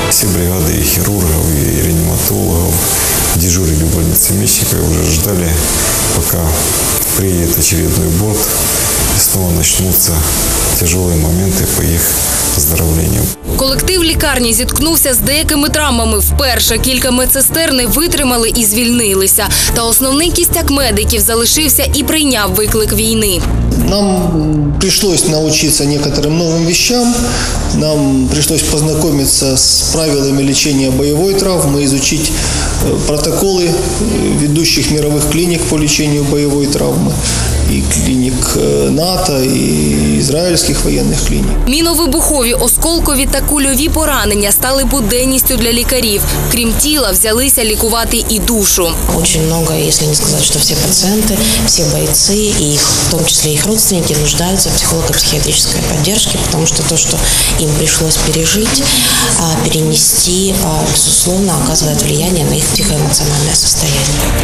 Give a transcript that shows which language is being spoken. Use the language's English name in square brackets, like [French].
[Ukrainian] Всі бригади і хірургів, і реаніматологів, дежури в лікарні Мечникова вже чекали, поки приедет очередной борт, и снова начнутся тяжелые моменты по их оздоровлению. Колектив лікарні зіткнувся з деякими травмами вперше. Кілька медсестер не витримали і звільнилися. Та основний кістяк медиків залишився і прийняв виклик війни. [Russian] Нам пришлось научиться некоторым новым вещам, нам пришлось познакомиться с правилами лечения боевой травмы, изучить протоколы ведущих мировых клиник по лечению боевой травмы. [Ukrainian] І клінік НАТО, і ізраїльських воєнних клінік. Міновибухові, осколкові та кульові поранення стали буденністю для лікарів. Крім тіла, взялися лікувати і душу. Дуже багато, якщо не сказати, що всі пацієнти, всі бійці, і в тому числі їх родственники, нуждаються в психолого-психіатрической поддержке, тому що то, що їм пришлось пережити, перенести, безусловно, оказує влияние на їх психоемоціональне состояние.